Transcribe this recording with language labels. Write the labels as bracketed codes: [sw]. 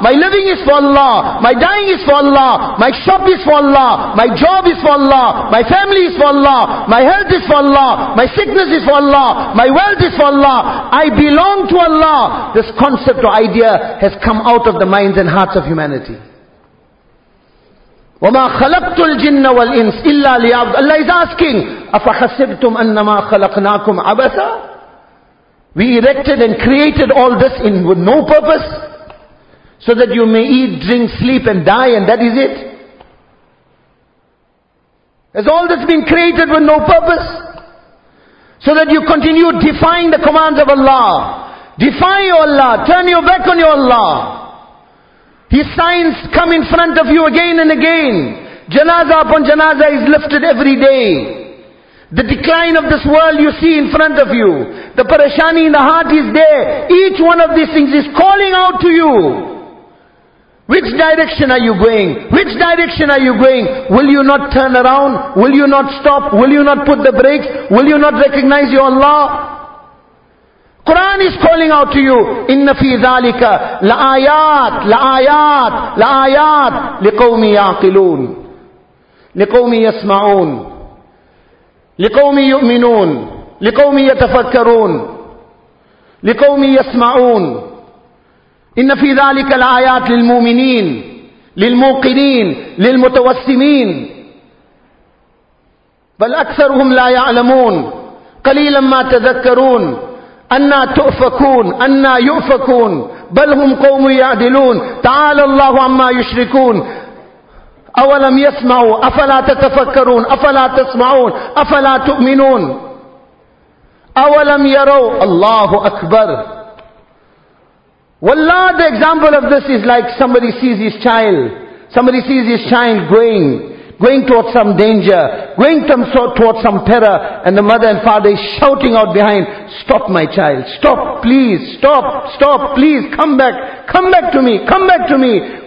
[en] My living is for Allah. My dying is for Allah. My shop is for Allah. My job is for Allah. My family is for Allah. My health is for Allah. My sickness is for Allah. My wealth is for Allah. I belong to Allah. This concept or idea has come out of the minds and hearts of humanity. [ar] وَمَا خَلَقْتُ الْجِنَّ وَالْإِنسِ إِلَّا لِيَعْبُدُ. [en] Allah is asking, [ar] أَفَخَسِبْتُمْ أَنَّمَا خَلَقْنَاكُمْ عَبَثًا. [en] We erected and created all this in with no purpose, so that you may eat, drink, sleep and die, and that is it. Has all this been created with no purpose? So that you continue defying the commands of Allah. Defy your Allah, turn your back on your Allah. His signs come in front of you again and again. Janaza upon janaza is lifted every day. The decline of this world you see in front of you. The parashani in the heart is there. Each one of these things is calling out to you. Which direction are you going? Which direction are you going? Will you not turn around? Will you not stop? Will you not put the brakes? Will you not recognize your Allah? Quran is calling out to you. [ar] Inna fi dhalika la'ayat, la'ayat, la'ayat liqawmi yaqiloon, liqawmi yasma'oon, لِقَوْمِ يُؤْمِنُونَ لِقَوْمِ يَتَفَكَّرُونَ لِقَوْمِ يَسْمَعُونَ إِنَّ فِي ذَلِكَ الْآيَاتِ لِلْمُؤْمِنِينَ لِلْمُوقِنِينَ لِلْمُتَوَسِّمِينَ بَلْ أَكْثَرُهُمْ لَا يَعْلَمُونَ قَلِيلًا مَا تَذَكَّرُونَ أَنَّا تُؤْفَكُونَ أَنَّا يُؤْفَكُونَ بَلْ هُمْ قَوْمٌ يَعْدِلُونَ تَعَالَى اللَّهُ عَمَّا يُشْرِكُونَ أَوَلَمْ يَسْمَعُوا أَفَلَا تَتَفَكَّرُونَ أَفَلَا تَسْمَعُونَ أَفَلَا تُؤْمِنُونَ أَوَلَمْ يَرَوْا اللَّهُ أَكْبَرُ. [en] Wallah, the example of this is like somebody sees his child. Somebody sees his child going towards some danger, going towards some terror, and the mother and father is shouting out behind, stop my child, stop, please, stop, stop, please, come back to me, come back to me.